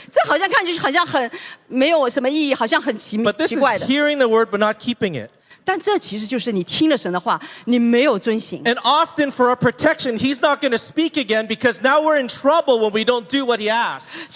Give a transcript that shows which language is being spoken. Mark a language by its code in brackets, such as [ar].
[zh] 这好像看就是好像很没有什么意义，好像很奇怪的。 [en] But this is hearing the word but not keeping it. [zh] 但这其实就是你听了神的话，你没有遵行。 [en] And often for our protection, he's not going to speak again because now we're in trouble when we don't do what he asked.